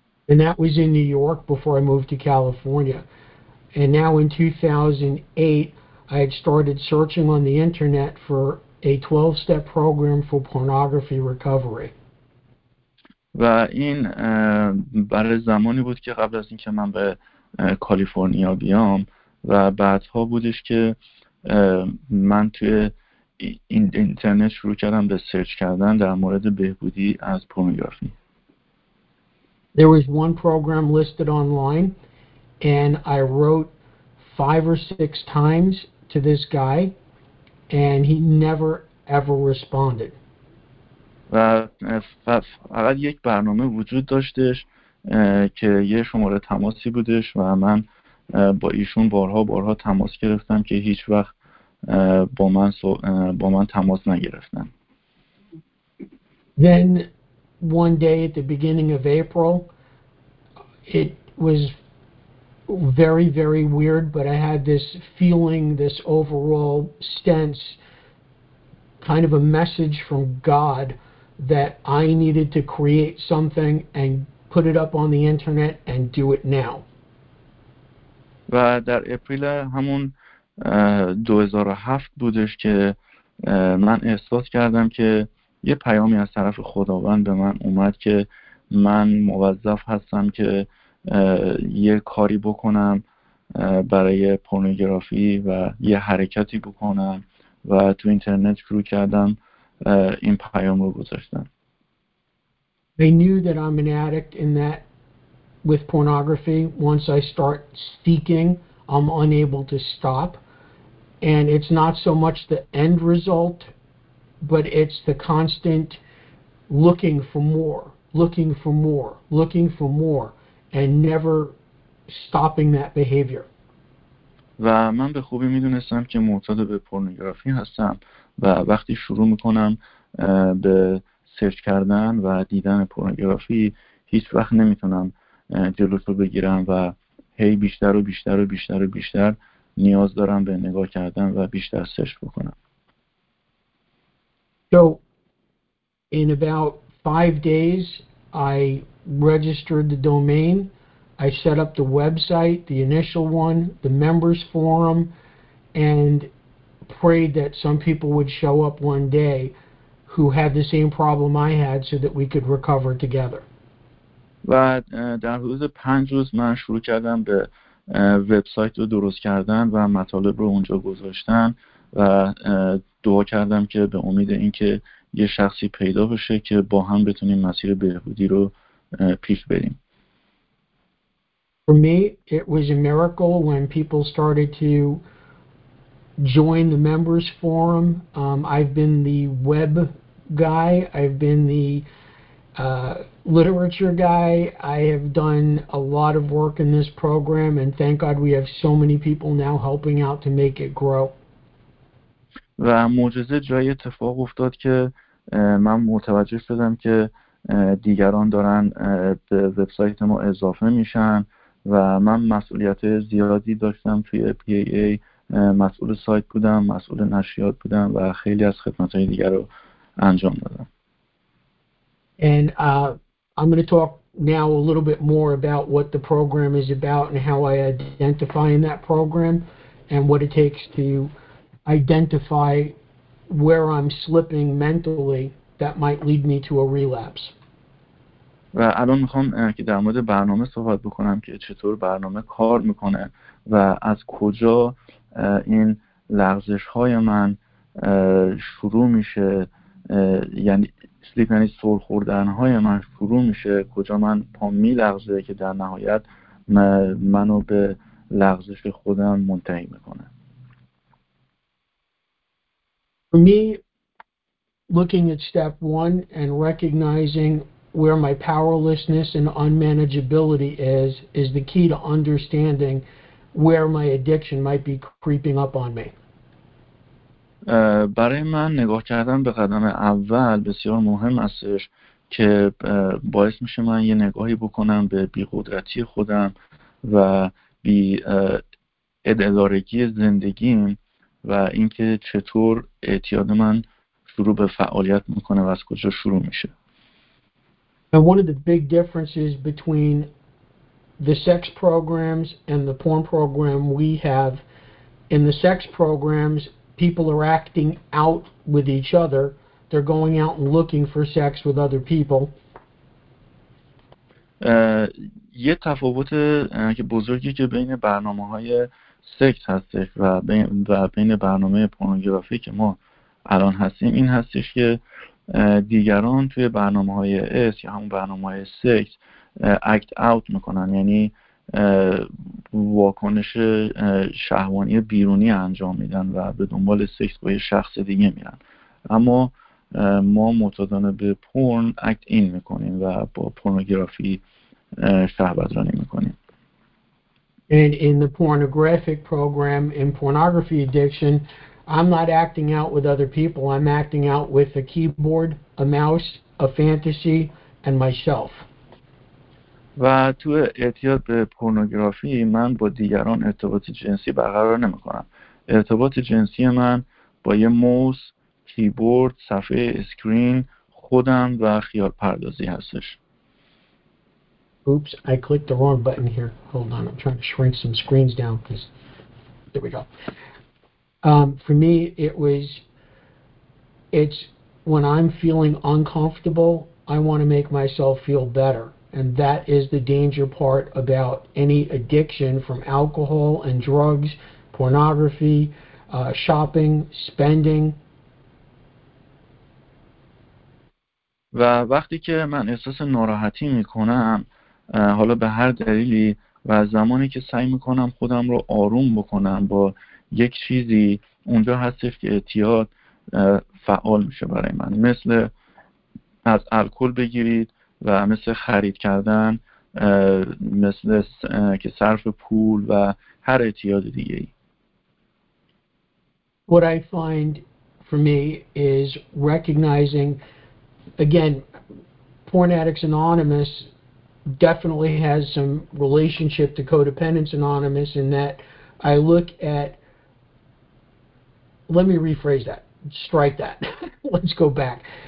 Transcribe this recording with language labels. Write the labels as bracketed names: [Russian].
[English] And that was in New York before I moved to California. And now in 2008, I had started searching on the internet for a 12-step program for pornography recovery. [Persian] و این برای زمانی بود که قبل از اینکه من به کالیفرنیا بیام و بعدها بودش که من توی اینترنت شروع کردم به سرچ کردن در مورد بهبودی از پورنوگرافی. [English] There was one program listed online, and I wrote 5 or 6 times to this guy, and he never ever responded. [Persian] و فقط یک برنامه وجود داشتش که یه شماره تماسی بودش و من با ایشون بارها تماس گرفتم که هیچ وقت با من تماس نگرفتن. [English] Then one day at the beginning of April, it was very, very weird, but I had this feeling, this overall sense, kind of a message from God that I needed to create something and put it up on the internet and do it now. [Persian] و در اپریل همون 2007 بودش که من احساس کردم که یه پیامی از طرف خداوند به من اومد که من موظف هستم که یه کاری بکنم برای پورنوگرافی و یه حرکتی بکنم و تو اینترنت شروع کردم این پیام رو گذاشتم. [English] They knew that I'm an addict in that with pornography. Once I start seeking, I'm unable to stop. And it's not so much the end result, but it's the constant looking for more, and never stopping that behavior. [Persian] و من به خوبی میدونستم که معتاد به پورنوگرافی هستم و وقتی شروع میکنم به سرچ کردن و دیدن پورنوگرافی هیچ وقت نمیتونم جلوش رو بگیرم و هی بیشتر و بیشتر و بیشتر و بیشتر نیاز دارم به نگاه کردن و بیشتر سرچ بکنم. [English] So in about 5 days, I registered the domain, I set up the website, the initial one, the members forum, and prayed that some people would show up one day who had the same problem I had so that we could recover together. [Persian] و در حدود 5 روز من شروع کردم به وبسایت رو درست کردن و مطالب رو اونجا گذاشتن و دعا کردم که به امید اینکه یه شخصی پیدا بشه که با هم بتونیم مسیر بهبودی رو پیش بریم. [English] For me, it was a miracle when people started to join the members forum. I've been the web guy, I've been the literature guy, I have done a lot of work in this program, and thank God we have so many people now helping out to make it grow. [Persian] و معجزه جای اتفاق افتاد که من متوجه شدم که دیگران دارن به وبسایت ما اضافه میشن و من مسئولیت زیادی داشتم توی PAA، مسئول سایت بودم، مسئول نشریات بودم و خیلی از خدمات دیگر رو انجام دادم. [English] And I'm going to talk now a little bit more about what the program is about and how I identify in that program and what it takes to identify where I'm slipping mentally that might lead me to a relapse. [Persian] و الان میخوام که در مورد برنامه صحبت بکنم که چطور برنامه کار میکنه و از کجا این لغزش های من شروع میشه، یعنی سلیپ یعنی سر خوردن های من شروع میشه، کجا من پا میلغزه که در نهایت منو به لغزش خودم منتهی میکنه. [English] For me, looking at step one and recognizing where my powerlessness and unmanageability is the key to understanding where my addiction might be creeping up on me. [Persian] برای من نگاه کردن به قدم اول بسیار مهم استش که باعث میشه من یه نگاهی بکنم به بیقدرتی خودم و بی ادارگی زندگیم و اینکه چطور اعتیاد من شروع به فعالیت میکنه و از کجا شروع میشه. [English] And one of the big differences between the sex programs and the porn program we have, in the sex programs, people are acting out with each other. They're going out and looking for sex with other people. [Persian] یه تفاوت که بزرگی که بین برنامه‌های سکس هستش و بین برنامه پورنوگرافی که ما الان هستیم این هستش که دیگران توی برنامه‌های اس یا همون برنامه‌های سکس اکت اوت میکنن، یعنی واکنش شهوانی بیرونی انجام میدن و به دنبال سکس با یه شخص دیگه میرن، اما ما متادانه به پورن اکت این میکنیم و با پورنوگرافی شهوترانی میکنیم. [English] And in the pornographic program, in pornography addiction, I'm not acting out with other people. I'm acting out with a keyboard, a mouse, a fantasy, and myself. [Persian] و تو اعتیاد به پورنوگرافی من با دیگران ارتباط جنسی برقرار نمی کنم. ارتباط جنسی من با یه موس، کیبورد، صفحه اسکرین، خودم و خیال پردازی هستش. [English] Oops, I clicked the wrong button here. Hold on, I'm trying to shrink some screens down. There we go. For me, it's when I'm feeling uncomfortable, I want to make myself feel better. And that is the danger part about any addiction from alcohol and drugs, pornography, shopping, spending. [Persian] و وقتی که من احساس ناراحتی میکنم، حالا به هر دلیلی، و زمانی که سعی میکنم خودم رو آروم بکنم با یک چیزی، اونجا هستش که اعتیاد فعال میشه برای من. مثل از الکل بگیرید و مثل خرید کردن، مثل که صرف پول و هر اعتیاد دیگه ای. [English] What I find for me is recognizing, again, Porn Addicts Anonymous definitely has some relationship to Codependents Anonymous in that I look at, let me rephrase that, strike that, let's go back.